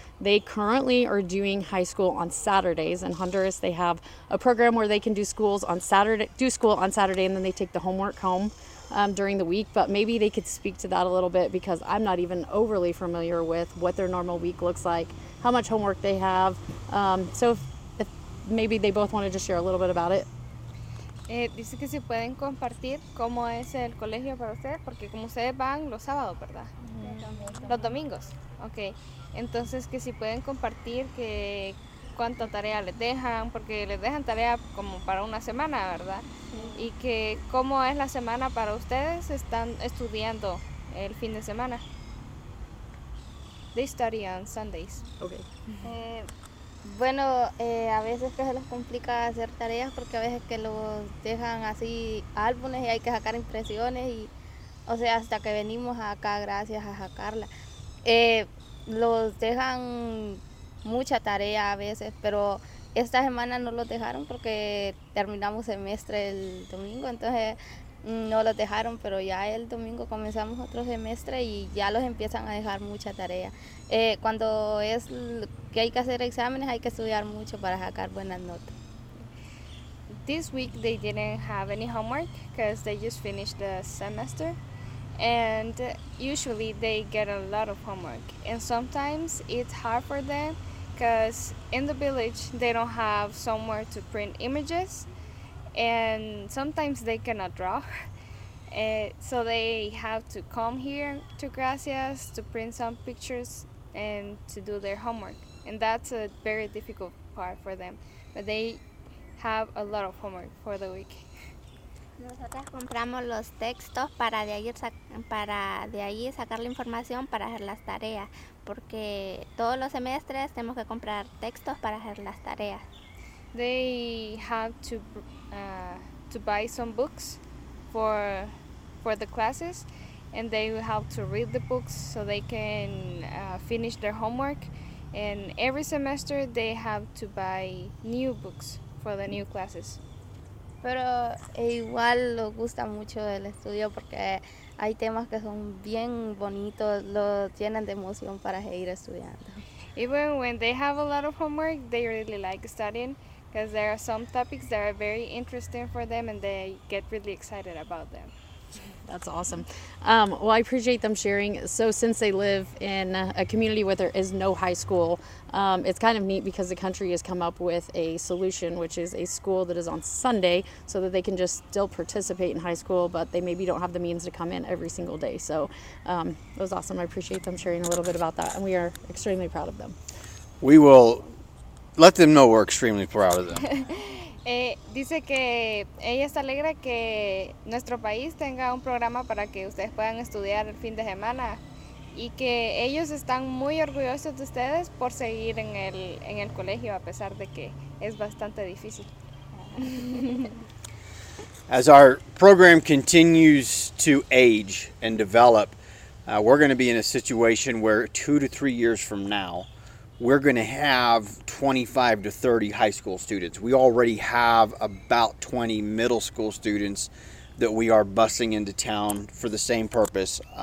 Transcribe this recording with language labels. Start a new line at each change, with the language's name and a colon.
English: They currently are doing high school on Saturdays. In Honduras, they have a program where they can do school on Saturday, and then they take the homework home during the week. But maybe they could speak to that a little bit, because I'm not even overly familiar with what their normal week looks like, how much homework they have. So if maybe they both wanted to share a little bit about it.
Spanish: Dice que si pueden compartir cómo es el colegio para ustedes, porque como ustedes van los sábados, ¿verdad? Los domingos. Okay. Entonces, que si pueden compartir que cuánta tarea les dejan, porque les dejan tarea como para una semana, ¿verdad? Mm-hmm. Y que cómo es la semana para ustedes, están estudiando el fin de semana.
English: They study on Sundays. Okay. Mm-hmm.
Spanish: Bueno, a veces que se les complica hacer tareas, porque a veces que los dejan así álbumes y hay que sacar impresiones, y o sea, hasta que venimos acá, gracias a sacarla, los dejan mucha tarea a veces, pero esta semana no los dejaron porque terminamos semestre el domingo, entonces no los dejaron, pero ya el domingo comenzamos otro semestre y ya los empiezan a dejar mucha tarea. Cuando es que hay que hacer exámenes, hay que estudiar mucho para sacar buenas notas.
English: This week they didn't have any homework because they just finished the semester, and usually they get a lot of homework, and sometimes it's hard for them because in the village they don't have somewhere to print images, and sometimes they cannot draw. So they have to come here to Gracias to print some pictures and to do their homework. And that's a very difficult part for them. But they have a lot of homework for the week.
Spanish: Nosotras compramos los textos para de ahí sacar la información para hacer las tareas. Porque todos los semestres tenemos que comprar textos para hacer las tareas.
English: They have to buy some books for the classes, and they will have to read the books so they can finish their homework. And every semester they have to buy new books for the new classes.
Spanish: Pero igual les gusta mucho el estudio porque hay temas que son bien bonitos, lo tienen de emoción para seguir estudiando.
English: Even when they have a lot of homework, they really like studying because there are some topics that are very interesting for them and they get really excited about them. That's awesome. Well, I appreciate them sharing. So since they live in a community where there is no high school, it's kind of neat because the country has come up with a solution, which is a school that is on Sunday so that they can just still participate in high school, but they maybe don't have the means to come in every single day. So that was awesome. I appreciate them sharing a little bit about that. And we are extremely proud of them. We will let them know we're extremely proud of them.
Spanish: Dice que ella está alegre que nuestro país tenga un programa para que ustedes puedan estudiar el fin de semana y que ellos están muy orgullosos de ustedes por seguir en el colegio a pesar de que es bastante difícil.
English: As our program continues to age and develop, we're going to be in a situation where 2 to 3 years from now, we're going to have 25 to 30 high school students. We already have about 20 middle school students that we are busing into town for the same purpose.